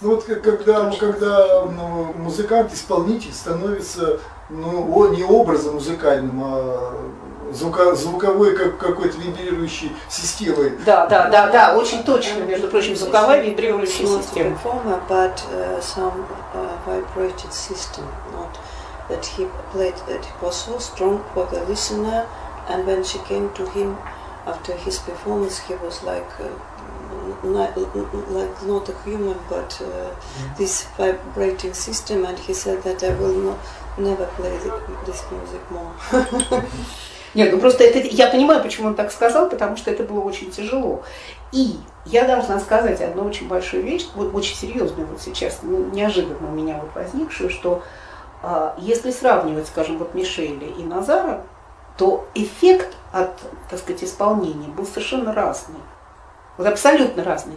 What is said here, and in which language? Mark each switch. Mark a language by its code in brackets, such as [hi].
[ru] Ну вот когда музыкант, исполнитель становится, ну, не образом музыкальным, а звуковой какой-то вибрирующей системой. Да, очень точно, между прочим, звуковая вибрирующая система. Он [en] performer, but some vibrated system, not... That he played, that it was so strong for the listener, and when she came to him after his performance, he was like not a human, but this vibrating system, and he said that I will never play this music more. [ru] Нет, ну просто это, я понимаю, почему он так сказал, потому что это было очень тяжело. И я должна сказать одну очень большую вещь, вот очень серьезную вот сейчас, неожиданно у меня вот возникшую, что если сравнивать, скажем, вот Мишеля и Назара, то эффект от, так сказать, исполнения был совершенно разный. Вот абсолютно разный.